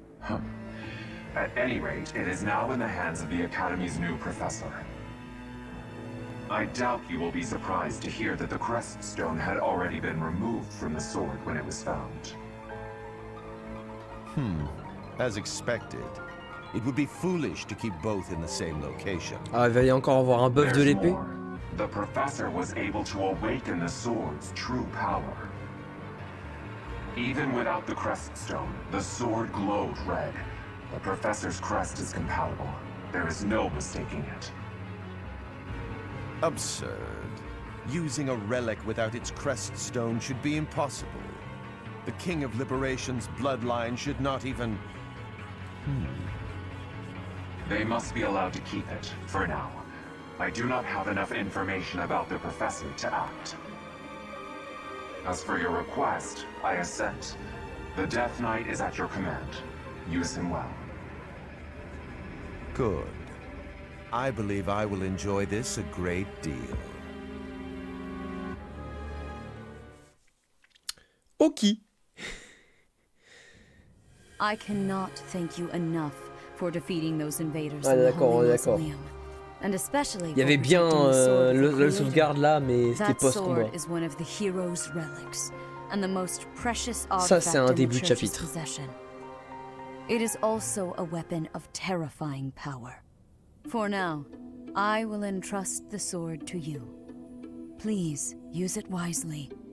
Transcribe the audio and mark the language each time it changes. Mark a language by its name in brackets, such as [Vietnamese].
[English] At any rate, it is now in the hands of the Academy's new professor. I doubt you will be surprised to hear that the Crest Stone had already been removed from the sword when it was found. As expected. It would be foolish to keep both in the same location. [French] Ah, il va y encore avoir un buff de l'épée. [English] The professor was able to awaken the sword's true power. Even without the Crest Stone, the sword glowed red. The professor's crest is compatible. There is no mistaking it. Absurd. Using a relic without its Crest Stone should be impossible. The King of Liberation's bloodline should not even... They must be allowed to keep it, for now. I do not have enough information about the professor to act. As for your request, I assent. The Death Knight is at your command. Use him well. Good. I believe I will enjoy this a great deal. Okay. I cannot thank you enough for defeating those invaders in the Holy Mausoleum. And especially [French] il y avait bien le sauvegarde là, mais c'était post-combat. [English] That sword is one of the hero's relics, and the most precious artifact in the Church's possession. It is also a weapon of terrifying power. For now, I will entrust the sword to you. Please, use it wisely.